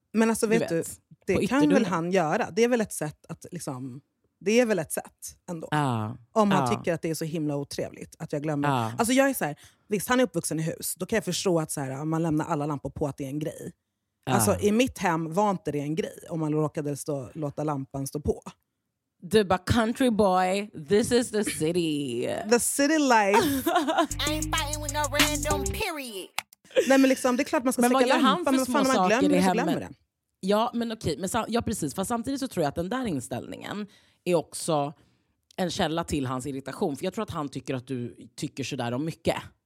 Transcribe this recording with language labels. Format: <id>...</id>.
<sv>Men alltså vet du, det kan väl han göra. Det är väl ett sätt att liksom, det är väl ett sätt ändå. Om han tycker att det är så himla otrevligt att jag glömmer. Alltså jag är så här, visst han är uppvuxen i hus. Då kan jag förstå att så här, man lämnar alla lampor på att det är en grej. Alltså i mitt hem var inte det en grej om man råkade låta lampan stå på. Du bara,</sv> <en>country boy, this is the city. The city life. I ain't fighting with no random period.</en> <sv>Nej men liksom, det är klart man ska släcka lampan. Men vad fan, om man glömmer det så glömmer det. Ja men okej, men ja precis. Fast samtidigt så tror jag att den där inställningen är också en källa till hans irritation. För jag tror att han tycker att du tycker sådär om mycket.</sv>